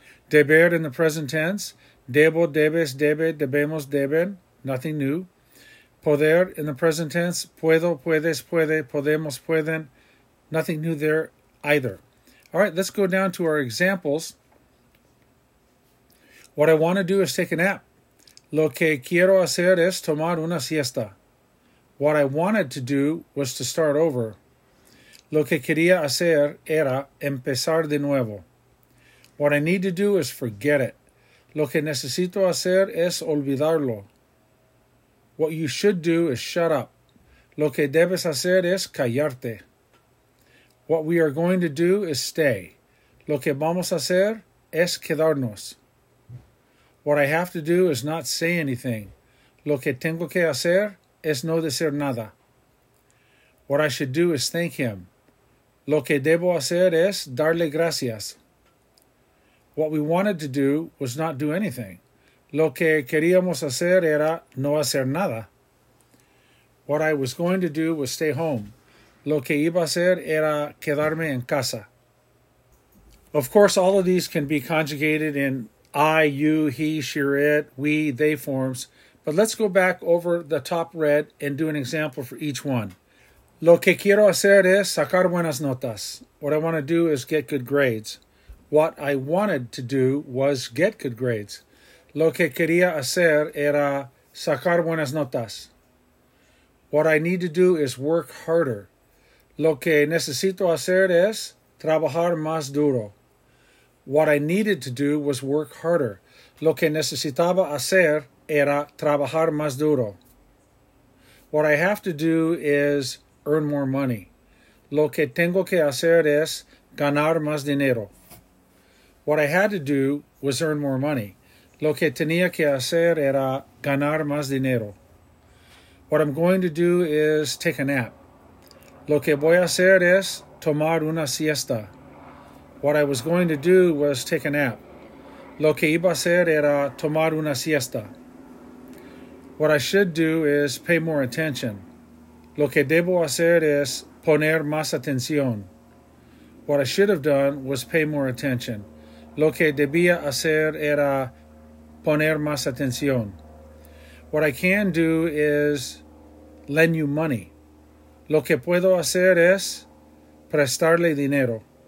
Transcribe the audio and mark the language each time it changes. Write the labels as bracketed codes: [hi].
[en] Deber in the present tense. [es] Debo, debes, debe, debemos, deben. [en] Nothing new. Poder in the present tense. [es] Puedo, puedes, puede, podemos, pueden. [en] Nothing new there either. All right, let's go down to our examples. What I want to do is take a nap. [es] Lo que quiero hacer es tomar una siesta. [en] What I wanted to do was to start over. [es] Lo que quería hacer era empezar de nuevo. [en] What I need to do is forget it. [es] Lo que necesito hacer es olvidarlo. [en] What you should do is shut up. [es] Lo que debes hacer es callarte. [en] What we are going to do is stay. [es] Lo que vamos a hacer es quedarnos. [en] What I have to do is not say anything. [es] Lo que tengo que hacer es no decir nada. [en] What I should do is thank him. [es] Lo que debo hacer es darle gracias. [en] What we wanted to do was not do anything. [es] Lo que queríamos hacer era no hacer nada. [en] What I was going to do was stay home. [es] Lo que iba a hacer era quedarme en casa. [en] Of course, all of these can be conjugated in I, you, he, she, or it, we, they forms. But let's go back over the top red and do an example for each one. [es] Lo que quiero hacer es sacar buenas notas. [en] What I want to do is get good grades. What I wanted to do was get good grades. [es] Lo que quería hacer era sacar buenas notas. [en] What I need to do is work harder. [es] Lo que necesito hacer es trabajar más duro. [en] What I needed to do was work harder. [es] Lo que necesitaba hacer era trabajar más duro. [en] What I have to do is earn more money. [es] Lo que tengo que hacer es ganar más dinero. [en] What I had to do was earn more money. [es] Lo que tenía que hacer era ganar más dinero. [en] What I'm going to do is take a nap. [es] Lo que voy a hacer es tomar una siesta. [en] What I was going to do was take a nap. [es] Lo que iba a hacer era tomar una siesta. [en] What I should do is pay more attention. [es] Lo que debo hacer es poner más atención. [en] What I should have done was pay more attention. [es] Lo que debía hacer era poner más atención. [en] What I can do is lend you money. [es] Lo que puedo hacer es prestarle dinero.